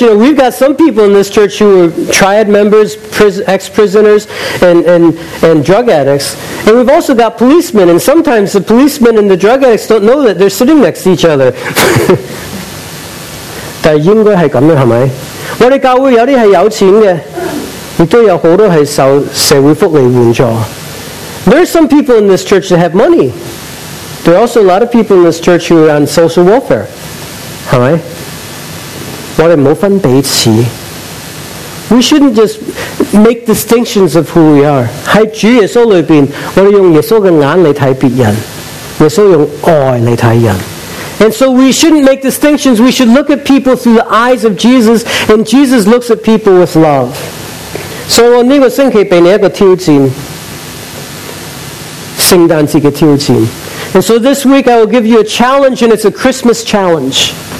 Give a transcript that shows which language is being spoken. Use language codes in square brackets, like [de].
[en] You know, we've got some people in this church who are triad members, ex-prisoners, and drug addicts. And we've also got policemen, and sometimes the policemen and the drug addicts don't know that they're sitting next to each other. [zh] 但应该是这样的，是吧？我们教会有些是有钱的，也都有很多是受社会福利援助。 [en] There are some people in this church that have money. There are also a lot of people in this church who are on social welfare. [zh] 是吧？我们不要分彼此。 [en] We shouldn't just make distinctions of who we are. [zh] 在主耶稣里面， 我们用耶稣的眼来看别人， 耶稣用爱来看人。 [en] And so we shouldn't make distinctions. We should look at people through the eyes of Jesus, and Jesus looks at people with love. [zh] So 我这个星期给你一个挑战， 圣诞节的挑战。 [en] And so this week I will give you a challenge, and it's a Christmas challenge.